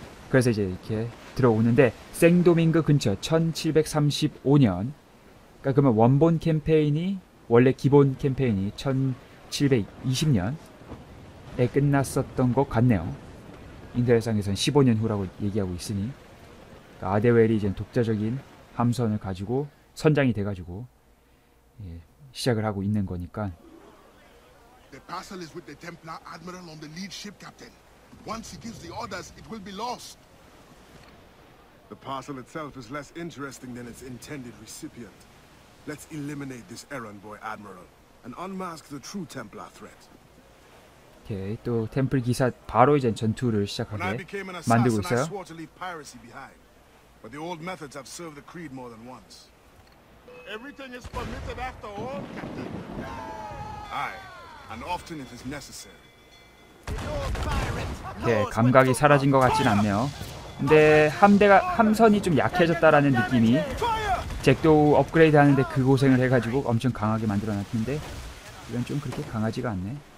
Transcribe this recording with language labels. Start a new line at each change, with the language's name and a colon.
Korean: 그래서 이제 이렇게 들어오는데 생도밍그 근처 1735년 그러니까 그러면 원본 캠페인이 원래 기본 캠페인이 1720년에 끝났었던 것 같네요. 인터넷상에서는 15년 후라고 얘기하고 있으니 그러니까 아데웰이 이제 독자적인 함선을 가지고 선장이 돼가지고 예, 시작을 하고 있는 거니까
English: The parcel is with the Templar Admiral on the lead ship, Captain. Once he gives the orders, it will be lost. The parcel itself is less interesting than its intended recipient. Let's eliminate this errand boy, Admiral, and unmask the true Templar threat.
Korean: Okay, 또 템플 기사 바로 이제 전투를 시작하게 만들고 있어요.
English: When I became an assassin, I swore to leave piracy behind. But the old methods have served the creed more than once. Everything is permitted after all, Captain. Aye. And often it is necessary.
Korean: 네, 감각이 사라진 것 같진 않네요. 근데 함대가 함선이 좀 약해졌다라는 느낌이 잭도 업그레이드 하는데 그 고생을 해가지고 엄청 강하게 만들어놨는데 이건 좀 그렇게 강하지가 않네.